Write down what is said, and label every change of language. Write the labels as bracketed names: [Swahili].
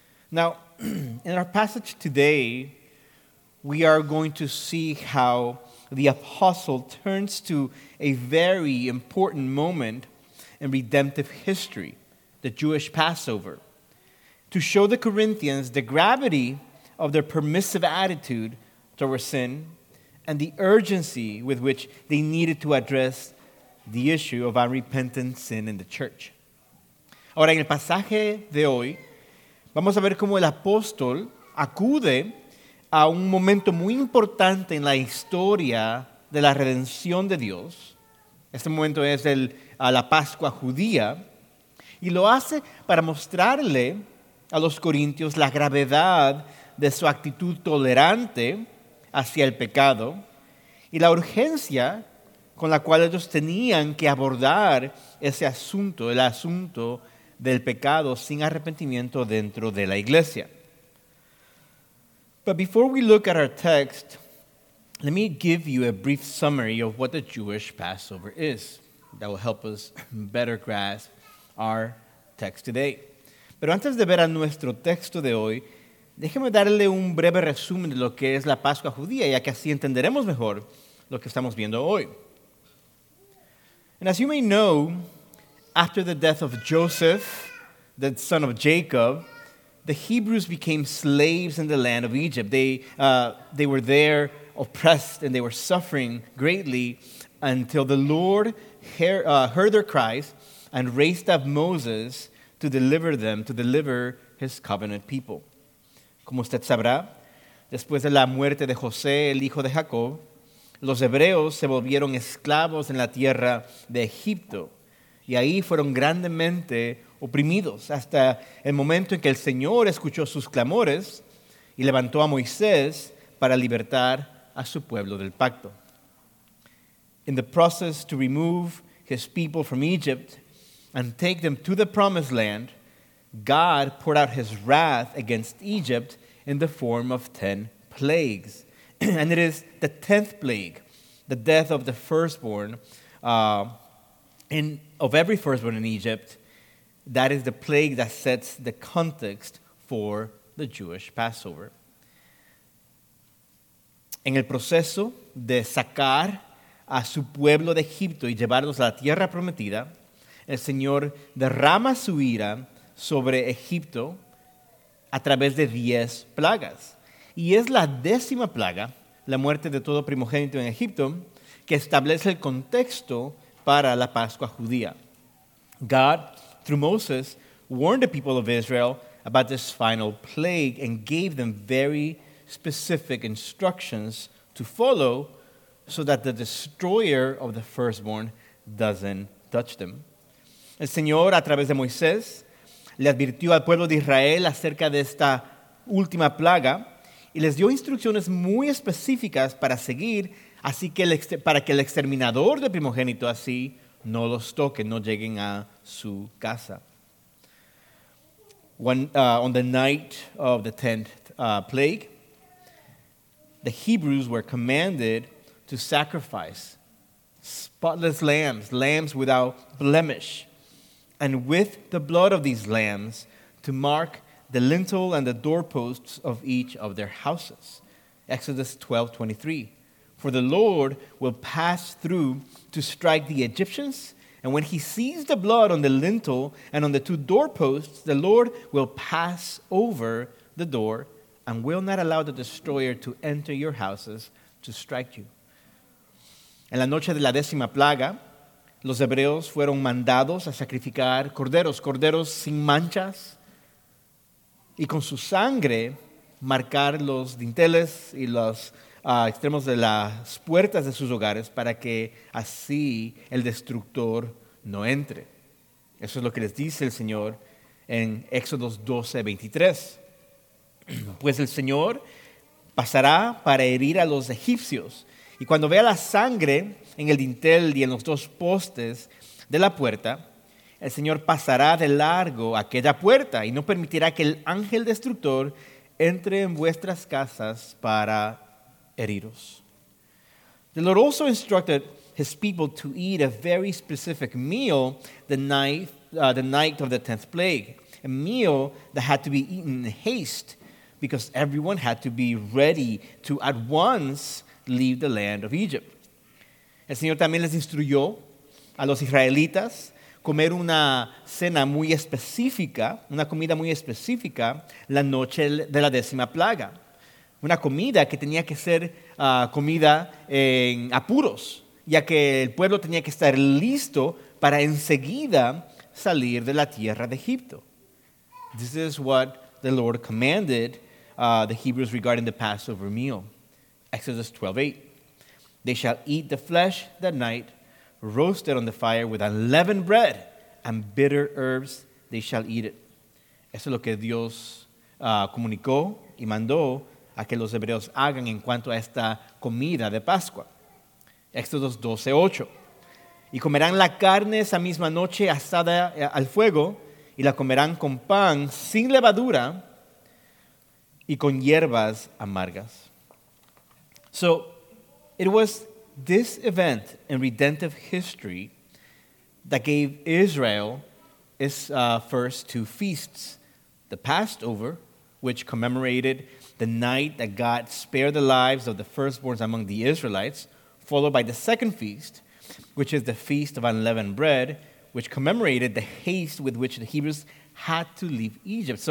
[English] Now, in our passage today, we are going to see how the apostle turns to a very important moment in redemptive history, the Jewish Passover, to show the Corinthians the gravity of their permissive attitude towards sin and the urgency with which they needed to address the issue of unrepentant sin in the church. [Spanish] Ahora, en el pasaje de hoy, vamos a ver cómo el apóstol acude a un momento muy importante en la historia de la redención de Dios. Este momento es la Pascua judía. Y lo hace para mostrarle a los corintios la gravedad de su actitud tolerante hacia el pecado y la urgencia con la cual ellos tenían que abordar ese asunto, el asunto del pecado sin arrepentimiento dentro de la iglesia. [English] But before we look at our text, let me give you a brief summary of what the Jewish Passover is. That will help us better grasp our text today. [Spanish] Pero antes de ver a nuestro texto de hoy, déjeme darle un breve resumen de lo que es la Pascua judía, ya que así entenderemos mejor lo que estamos viendo hoy. [English] And as you may know, after the death of Joseph, the son of Jacob, the Hebrews became slaves in the land of Egypt. They were there oppressed and they were suffering greatly until the Lord heard their cries and raised up Moses to deliver them, to deliver his covenant people. [Spanish] Como usted sabrá, después de la muerte de José, el hijo de Jacob, los hebreos se volvieron esclavos en la tierra de Egipto y ahí fueron grandemente oprimidos hasta el momento en que el Señor escuchó sus clamores y levantó a Moisés para libertar a su pueblo del pacto. [English] In the process to remove his people from Egypt and take them to the promised land, God poured out his wrath against Egypt in the form of 10 plagues. And it is the 10th plague, the death of the firstborn, of every firstborn in Egypt, that is the plague that sets the context for the Jewish Passover. [Spanish] En el proceso de sacar a su pueblo de Egipto y llevarlos a la tierra prometida, el Señor derrama su ira sobre Egipto a través de 10 plagas. Y es la décima plaga, la muerte de todo primogénito en Egipto, que establece el contexto para la Pascua judía. [English] God, through Moses, warned the people of Israel about this final plague and gave them very specific instructions to follow so that the destroyer of the firstborn doesn't touch them. [Spanish] El Señor, a través de Moisés, le advirtió al pueblo de Israel acerca de esta última plaga y les dio instrucciones muy específicas para seguir, así que para que el exterminador del primogénito así no los toque, no lleguen a su casa. [English] On the night of the 10th plague, the Hebrews were commanded to sacrifice spotless lambs, lambs without blemish, and with the blood of these lambs to mark the lintel and the doorposts of each of their houses. Exodus 12:23. For the Lord will pass through to strike the Egyptians, and when he sees the blood on the lintel and on the two doorposts, the Lord will pass over the door and will not allow the destroyer to enter your houses to strike you. [Spanish] En la noche de la décima plaga, los hebreos fueron mandados a sacrificar corderos, corderos sin manchas, y con su sangre marcar los dinteles y los extremos de las puertas de sus hogares para que así el destructor no entre. Eso es lo que les dice el Señor en Éxodo 12:23. Pues el Señor pasará para herir a los egipcios, y cuando vea la sangre en el dintel y en los dos postes de la puerta, el Señor pasará de largo aquella puerta y no permitirá que el ángel destructor entre en vuestras casas para heriros. [English] The Lord also instructed his people to eat a very specific meal the night of the 10th plague, a meal that had to be eaten in haste, because everyone had to be ready to at once leave the land of Egypt. [Spanish] El Señor también les instruyó a los israelitas comer una cena muy específica, una comida muy específica, la noche de la décima plaga. Una comida que tenía que ser comida en apuros, ya que el pueblo tenía que estar listo para enseguida salir de la tierra de Egipto. [English] This is what the Lord commanded the Hebrews regarding the Passover meal. Exodus 12:8. They shall eat the flesh that night, roasted on the fire with unleavened bread and bitter herbs they shall eat it. [Spanish] Eso es lo que Dios comunicó y mandó a que los hebreos hagan en cuanto a esta comida de Pascua. Éxodo 12:8. Y comerán la carne esa misma noche asada al fuego, y la comerán con pan sin levadura y con hierbas amargas. [English] So, it was this event in redemptive history that gave Israel its first two feasts, the Passover, which commemorated the night that God spared the lives of the firstborns among the Israelites, followed by the second feast, which is the Feast of Unleavened Bread, which commemorated the haste with which the Hebrews had to leave Egypt.